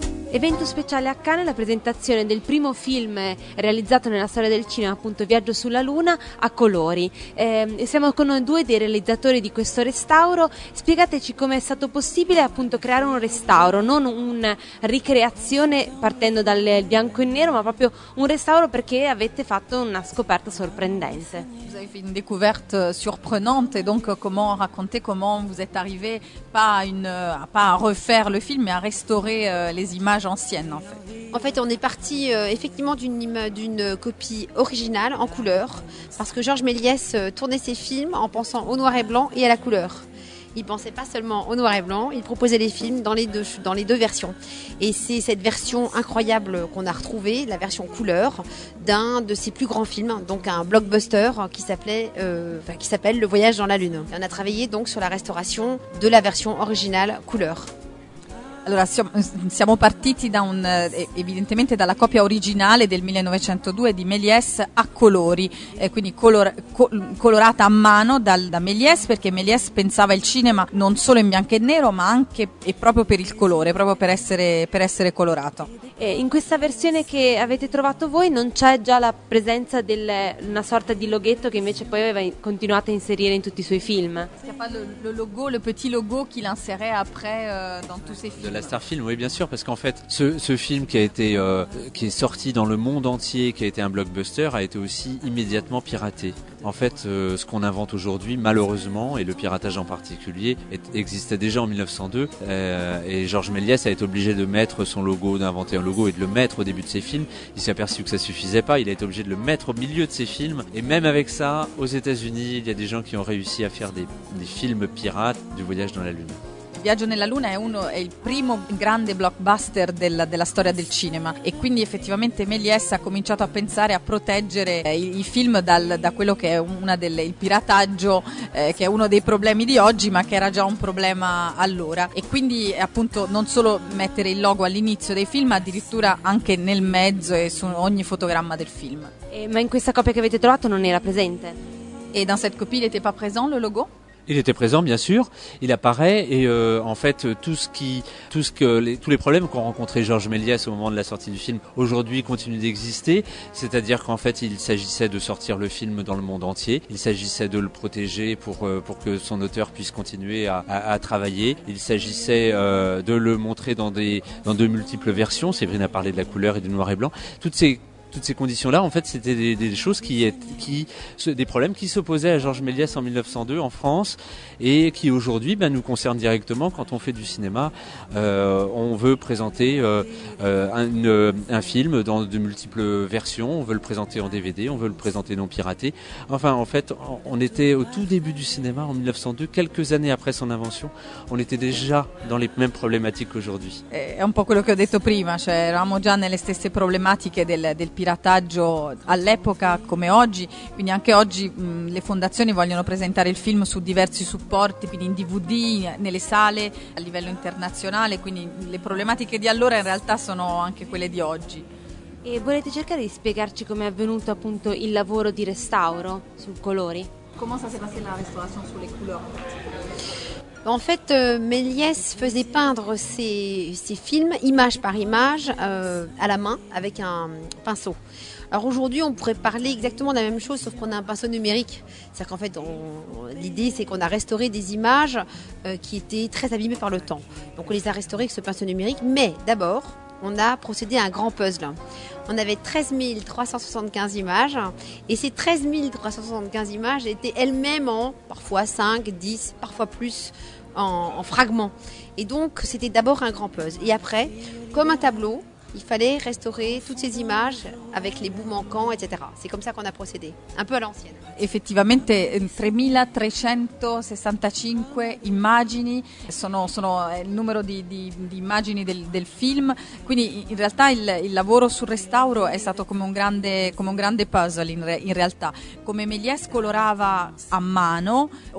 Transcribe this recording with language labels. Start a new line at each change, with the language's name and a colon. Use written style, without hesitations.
Italian: Evento speciale a Cannes, la presentazione del primo film realizzato nella storia del cinema, appunto Viaggio sulla Luna, a colori. Siamo con due dei realizzatori di questo restauro. Spiegateci come è stato possibile appunto creare un restauro, non una ricreazione partendo dal bianco e nero, ma proprio un restauro perché avete fatto una scoperta sorprendente.
French: Une découverte surprenante, et donc comment raconter comment vous êtes arrivé pas à refaire le film, mais à restaurer les images anciennes en fait. En fait, on est parti effectivement d'une copie originale en couleur, parce que Georges Méliès tournait ses films en pensant au noir et blanc et à la couleur. Il ne pensait pas seulement au noir et blans, il proposait les films dans les deux versions. Et c'est cette version incroyable qu'on a retrouvée, la version couleur, d'un de ses plus grands films, donc un blockbuster qui s'appelle Le Voyage dans la Lune. Et on a travaillé donc sur la restauration de la version originale couleur.
Italian: Allora, siamo partiti da evidentemente dalla copia originale del 1902 di Méliès a colori, quindi colorata a mano da Méliès, perché Méliès pensava il cinema non solo in bianco e nero, ma anche e proprio per il colore, proprio per essere colorato. E in questa versione che avete trovato voi non c'è già la presenza di una sorta di loghetto che invece poi aveva continuato a inserire in tutti i suoi film?
French: Le petit logo qu'il insérait après dans tous ses films. De la Star Film, oui, bien sûr, parce qu'en fait, ce film qui est sorti dans le monde entier, qui a été un blockbuster, a été aussi immédiatement piraté. En fait, ce qu'on invente aujourd'hui, malheureusement, et le piratage en particulier, existait déjà en 1902. Et Georges Méliès a été obligé de mettre son logo, d'inventer un logo et de le mettre au début de ses films. Il s'est aperçu que ça suffisait pas. Il a été obligé de le mettre au milieu de ses films. Et même avec ça, aux États-Unis, il y a des gens qui ont réussi à faire des films pirates du Voyage dans la Lune.
Italian: Viaggio nella Luna è il primo grande blockbuster della storia del cinema, e quindi effettivamente Méliès ha cominciato a pensare a proteggere i film da quello che è il pirataggio, che è uno dei problemi di oggi, ma che era già un problema allora. E quindi appunto non solo mettere il logo all'inizio dei film, ma addirittura anche nel mezzo e su ogni fotogramma del film. Ma in questa copia che avete trovato non era presente?
French: E dans cette copie, il n'était pas présent le logo? Il était présent, bien sûr. Il apparaît et en fait tous les problèmes qu'ont rencontré Georges Méliès au moment de la sortie du film aujourd'hui continuent d'exister. C'est-à-dire qu'en fait il s'agissait de sortir le film dans le monde entier. Il s'agissait de le protéger pour que son auteur puisse continuer à travailler. Il s'agissait de le montrer dans de multiples versions. Séverine a parlé de la couleur et du noir et blanc. Toutes ces conditions-là, en fait, c'était des choses des problèmes qui s'opposaient à Georges Méliès en 1902 en France, et qui aujourd'hui nous concernent directement quand on fait du cinéma. On veut présenter un film dans de multiples versions, on veut le présenter en DVD, on veut le présenter non piraté. Enfin, en fait, on était au tout début du cinéma en 1902, quelques années après son invention, on était déjà dans les mêmes problématiques qu'aujourd'hui. C'est un peu ce que j'ai dit
Italian: prima, eravamo già nelle stesse problematiche del pirataggio all'epoca come oggi, quindi anche oggi le fondazioni vogliono presentare il film su diversi supporti, quindi in DVD, nelle sale, a livello internazionale, quindi le problematiche di allora in realtà sono anche quelle di oggi. E volete cercare di spiegarci come è avvenuto appunto il lavoro di restauro su colori? Come sta se passando la restaurazione sulle colori?
French: En fait, Méliès faisait peindre ses films image par image à la main avec un pinceau. Alors aujourd'hui, on pourrait parler exactement de la même chose, sauf qu'on a un pinceau numérique. C'est-à-dire qu'en fait, l'idée, c'est qu'on a restauré des images qui étaient très abîmées par le temps. Donc on les a restaurées avec ce pinceau numérique, mais d'abord, on a procédé à un grand puzzle. On avait 13 375 images, et ces 13 375 images étaient elles-mêmes en parfois 5, 10, parfois plus en fragments. Et donc c'était d'abord un grand puzzle. Et après, comme un tableau, il fallait restaurer toutes ces images avec les bouts manquants, etc. C'est comme ça qu'on a procédé, un peu à l'ancienne.
Italian: Effettivamente 3365 immagini sono il numero di immagini del film, quindi in realtà il lavoro sul restauro è stato come un grande puzzle in realtà. Come Méliès colorava a mano,